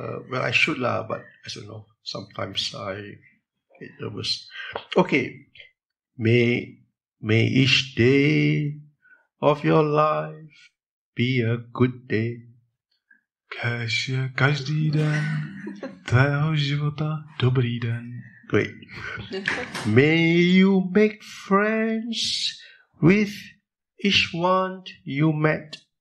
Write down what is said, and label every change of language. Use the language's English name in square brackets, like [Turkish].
[English] Well, I should lah, but as you know, sometimes I get nervous. Okay. May each day of your life be a good day. [Czech] Kéž je každý den tvého života dobrý den. [English] Great. May you make friends with each one you met.